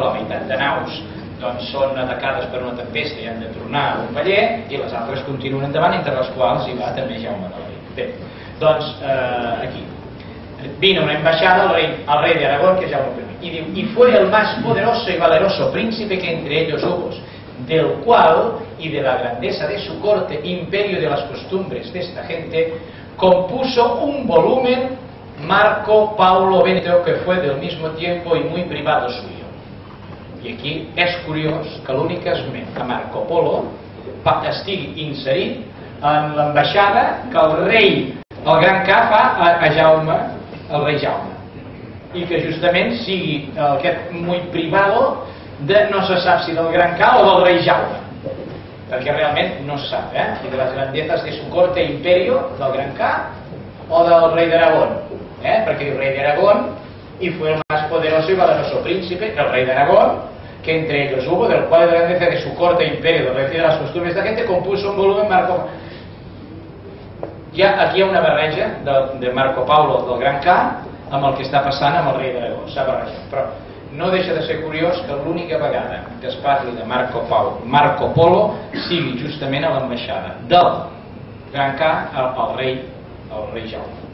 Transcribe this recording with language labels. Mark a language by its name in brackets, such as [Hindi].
[Catalan] Que la meitat de naus doncs són atacades per una tempesta i han de tornar a un paller, i les altres continuen endavant, entre les quals hi va també Jaume d'Alaric. Bé, doncs aquí. [Spanish] Vino una embaixada al rei d'Aragón, [Catalan] que és Jaume I, i diu, [Spanish] i fue el más poderoso y valeroso príncipe que entre ellos hubo, del cual y de la grandeza de su corte, imperio de las costumbres de esta gente, compuso un volumen Marco Paulo Benito, que fue del mismo tiempo y muy privado suyo. [Catalan] I aquí és curiós que l'únic esment a Marco Polo estigui inserit en l'ambaixada que el rei, el gran K, fa a Jaume, el rei Jaume. I que justament sigui aquest [Spanish] muy privado [Catalan] de no se sap si del gran K o del rei Jaume. Perquè realment no se sap, si de les [Spanish] grandezas de su corte imperio, [Catalan] del gran K o del rei d'Aragón. Perquè diu [Spanish] rei d'Aragón, i fue el más poderoso y valeroso príncipe, el rei d'Aragón, que entre ellos hubo, del cual de la grandeza de su corte imperio, del rey de las costumbres de la gente, compuso un volumen Marco. [Catalan] Ja, aquí hi ha una barreja de Marco Paulo del gran K amb el que està passant amb el rei d'Aragón, s'ha barrejat. Però no deixa de ser curiós que l'única vegada que es parli de Marco Polo sigui justament a l'ambaixada del gran K al rei Jaume.